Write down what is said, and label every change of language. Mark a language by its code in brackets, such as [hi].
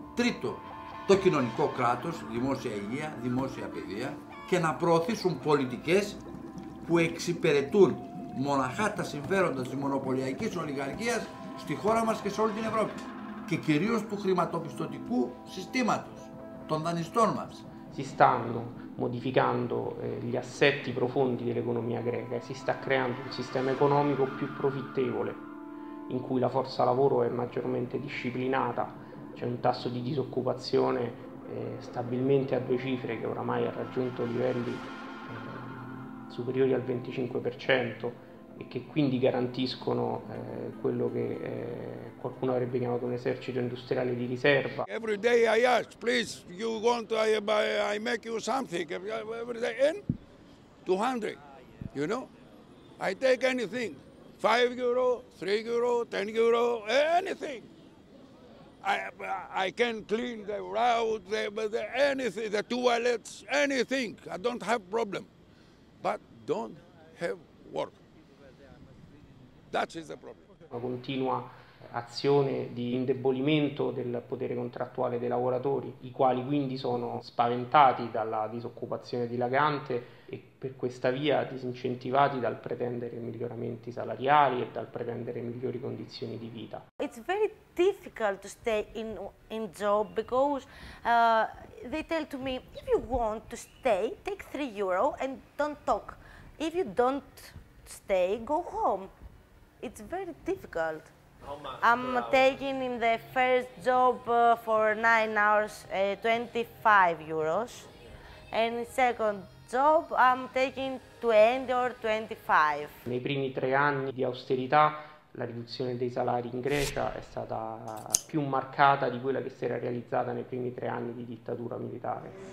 [el] Τρίτο, το κοινωνικό κράτος, δημόσια υγεία, δημόσια παιδεία. Και να προωθήσουν πολιτικές που εξυπηρετούν μοναχά τα συμφέροντα της μονοπωλιακής ολιγαρχίας στη χώρα μας και σε όλη την Ευρώπη. Και κυρίως του χρηματοπιστωτικού συστήματος, των δανειστών μας. [it] Si stanno modificando gli assetti profondi dell'economia greca e si sta creando un sistema economico più profittevole, in cui la forza lavoro è maggiormente disciplinata, c'è un tasso di disoccupazione stabilmente a due cifre che oramai ha raggiunto livelli superiori al 25% e che quindi garantiscono quello che qualcuno avrebbe chiamato un esercito industriale di riserva. [en] Every day I ask, please, you want I make you something, every day, and 200, you know, I take anything. 5 euro, 3 euro, 10 euro, anything. I can clean the road, anything, the toilets, anything. I don't have problem. But don't have work. That is the problem. [it] Una continua azione di indebolimento del potere contrattuale dei lavoratori, i quali quindi sono spaventati dalla disoccupazione dilagante e per questa via disincentivati dal pretendere miglioramenti salariali e dal pretendere migliori condizioni di vita. [en] It's very difficult to stay in job because they tell to me if you want to stay take 3 euro and don't talk. If you don't stay go home. It's very difficult. I'm taking in the first job for 9 hours 25 euros and second job I'm taking 20 or 25. [it] Nei primi tre anni di austerità la riduzione dei salari in Grecia è stata più marcata di quella che si era realizzata nei primi 3 anni di dittatura militare.